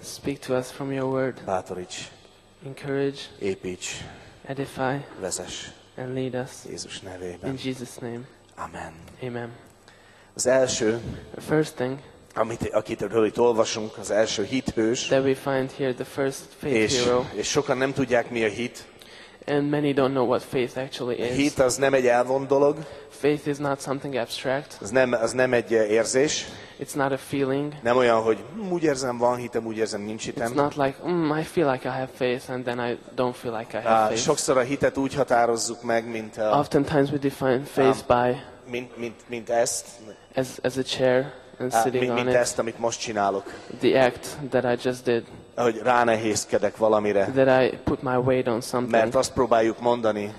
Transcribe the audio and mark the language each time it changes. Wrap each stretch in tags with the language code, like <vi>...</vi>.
<en>Speak to us from your word.</en> <hu>Bátoríts.</hu> <en>Encourage.</en> <hu>Építs.</hu> <en>Edify.</en> <hu>Vezess.</hu> <en>And lead us.</en> <hu>Jézus nevében.</hu> <en>In Jesus' name.</en> <hu>Amen.</hu> <en>Amen.</en> <hu>Az első,</hu> <en>the first thing,</en> <hu>akitől itt olvasunk, az első hithős,</hu> <en>that we find here, the first faith hero.</en> <hu>És sokan nem tudják, mi a hit.</hu> <en>And many don't know what faith actually is.</en> <hu>A hit az nem egy elvont dolog.</hu> <en>Faith is not something abstract.</en> <hu>Az nem egy érzés.</hu> <en>It's not a feeling.</en> <hu>Nem olyan, hogy úgy érzem, van hitem, úgy érzem, nincs hitem.</hu> <en>It's not like, I feel like I have faith, and then I don't feel like I have faith.</en> <hu>Sokszor a hitet úgy határozzuk meg, mint a...</hu> <en>Oftentimes we define faith by...</en> <hu>Mint ezt.</hu> <en>As a chair and sitting on it.</en> <hu>Mint ezt, amit most csinálok.</hu> <en>The act that I just did.</en> <hu>Hogy ránehézkedek valamire.</hu> <en>That I put my weight on something.</en> <hu>Mert azt próbáljuk mondani.</hu>